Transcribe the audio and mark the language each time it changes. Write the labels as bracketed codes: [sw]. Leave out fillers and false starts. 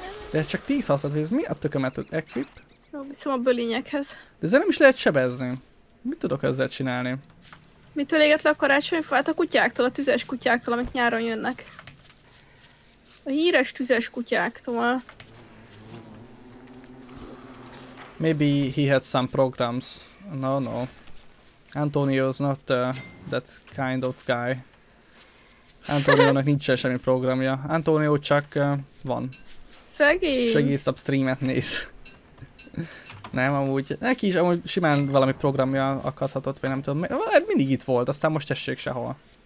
[hu] De csak 10 használat, hogy ez mi a tökömet tud equip? Jó, viszem a bölényekhez. De ezzel nem is lehet sebezni. Mit tudok ezzel csinálni? Mitől égett le a karácsonyfa? Hát a kutyáktól, a tüzes kutyáktól, amik nyáron jönnek. A híres tüzes kutyáktól. [en] Maybe he had some programs. No, no. Antonio's not that kind of guy. [hu] Antonio-nak nincsen semmi programja. Antonio csak van. Szegény. És egész nap streamet néz. Nem, amúgy, neki is amúgy simán valami programja akadhatott, vagy nem tudom, mindig itt volt, aztán most tessék sehol.